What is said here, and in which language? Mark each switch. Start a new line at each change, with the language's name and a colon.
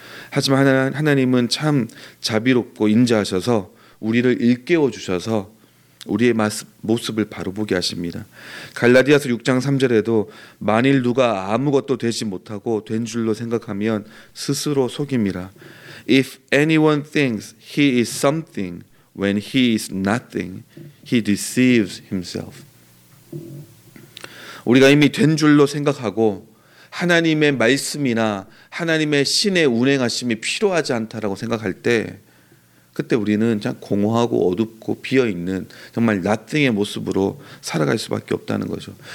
Korean: 하지만 하나님은 참 자비롭고 인자하셔서 우리를 일깨워 주셔서 우리의 모습을 바로 보게 하십니다. 갈라디아서 6장 3절에도 만일 누가 아무것도 되지 못하고 된 줄로 생각하면 스스로 속임이라.
English: If anyone thinks he is something when he is nothing, he deceives himself.
Korean: 우리가 이미 된 줄로 생각하고 하나님의 말씀이나 하나님의 신의 운행하심이 필요하지 않다라고 생각할 때, 그때 우리는 참 공허하고 어둡고 비어있는 정말 nothing의 모습으로 살아갈 수밖에 없다는 거죠.